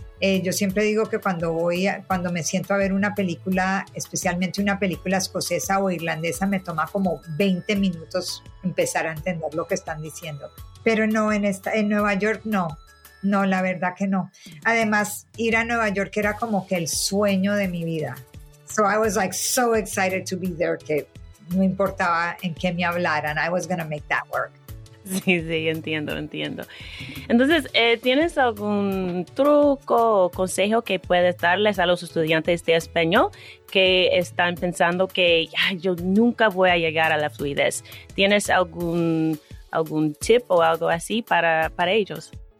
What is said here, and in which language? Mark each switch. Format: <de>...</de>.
<es>Yo siempre digo que cuando me siento a ver una película, especialmente una película escocesa o irlandesa, me toma como 20 minutos empezar a entender lo que están diciendo. Pero no, en Nueva York no, la verdad que no. Además, ir a Nueva York era como que el sueño de mi vida.</es> <en>So I was like so excited to be there</en> <es>que no importaba en qué me hablaran,</es> <en>I was going to make that work.</en> <es>Sí, entiendo. Entonces, ¿tienes algún truco o consejo que puedes darles a los estudiantes de español que están pensando que yo nunca voy a llegar a la fluidez? ¿Tienes algún tip o algo así para ellos?</es>